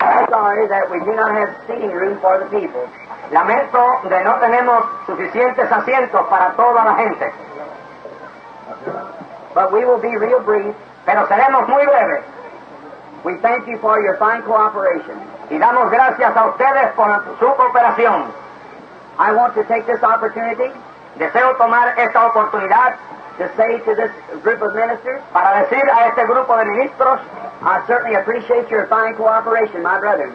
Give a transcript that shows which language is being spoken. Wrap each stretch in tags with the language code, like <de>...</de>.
<en>sorry that we do not have seating room for the people.</en> <es>Lamento de no tenemos suficientes asientos para toda la gente.</es> <en>But we will be real brief,</en> <es>pero seremos muy breves.</es> <en>We thank you for your fine cooperation.</en> <es>Y damos gracias a ustedes por su cooperación.</es> <en>I want to take this opportunity,</en> <es>deseo tomar esta oportunidad,</es> <en>to say to this group of ministers,</en> <es>para decir a este grupo de ministros,</es> <en>I certainly appreciate your fine cooperation, my brethren.</en>